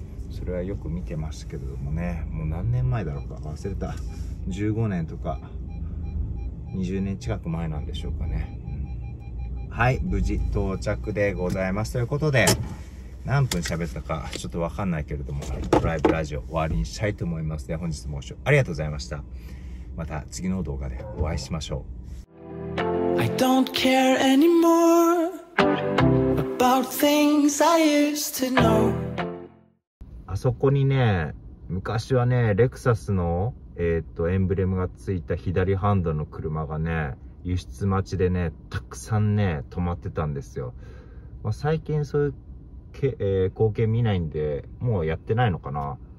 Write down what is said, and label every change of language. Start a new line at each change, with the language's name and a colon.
Japanese: それはよく見てましたけどもね、もう何年前だろうか忘れた、15年とか20年近く前なんでしょうかね。はい、無事到着でございます。ということで、何分喋ったかちょっと分かんないけれども、ドライブラジオ終わりにしたいと思います。で本日もご視聴ありがとうございました。また次の動画でお会いしましょう。
English: I don't care anymore about things I used to know。
Japanese: そこにね、昔はね、レクサスの、エンブレムがついた左ハンドルの車がね、輸出待ちでね、たくさんね、止まってたんですよ。まあ、最近そういう光景見ないんで、もうやってないのかな。